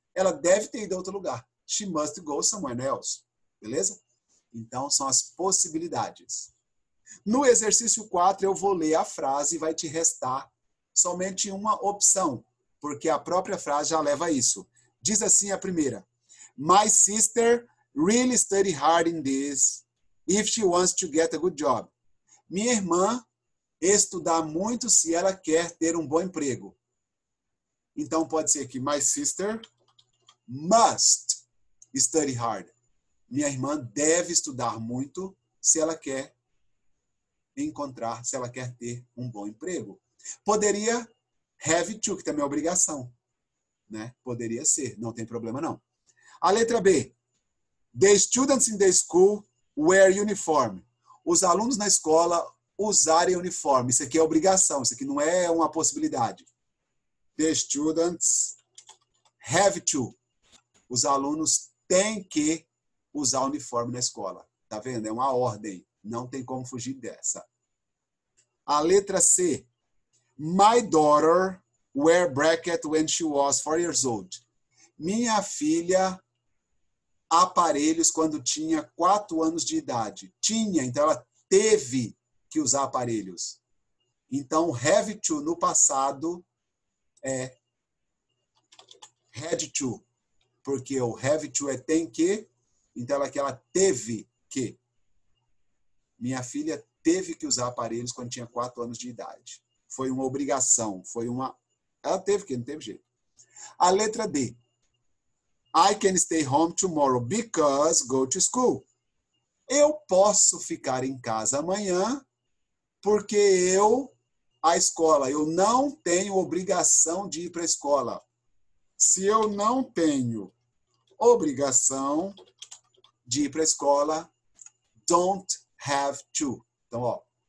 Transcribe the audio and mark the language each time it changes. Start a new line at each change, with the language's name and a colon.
Portuguese: Ela deve ter ido a outro lugar.
English: She must go somewhere else.
Portuguese: Beleza? Então, são as possibilidades. No exercício 4, eu vou ler a frase e vai te restar somente uma opção. Porque a própria frase já leva a isso. Diz assim a primeira.
English: My sister really study hard in this if she wants to get a good job.
Portuguese: Minha irmã estuda muito se ela quer ter um bom emprego. Então pode ser que
English: my sister must study hard.
Portuguese: Minha irmã deve estudar muito se ela quer encontrar, se ela quer ter um bom emprego. Poderia have to, que também é obrigação, né? Poderia ser, não tem problema não. A letra B.
English: The students in the school wear uniform.
Portuguese: Os alunos na escola usarem uniforme. Isso aqui é obrigação, isso aqui não é uma possibilidade.
English: The students have to.
Portuguese: Os alunos têm que usar uniforme na escola. Tá vendo? É uma ordem. Não tem como fugir dessa. A letra C.
English: My daughter wear bracket when she was 4 years old.
Portuguese: Minha filha aparelhos quando tinha 4 anos de idade. Tinha, então ela teve que usar aparelhos. Então, have to no passado é had to. Porque o have to é tem que, então ela, que ela teve que. Minha filha teve que usar aparelhos quando tinha 4 anos de idade. Foi uma obrigação, foi uma... Ela teve que, não teve jeito. A letra D.
English: I can stay home tomorrow because go to school.
Portuguese: Eu posso ficar em casa amanhã porque eu, a escola, eu não tenho obrigação de ir para a escola. Se eu não tenho obrigação de ir para a escola, don't have to. Então, ó.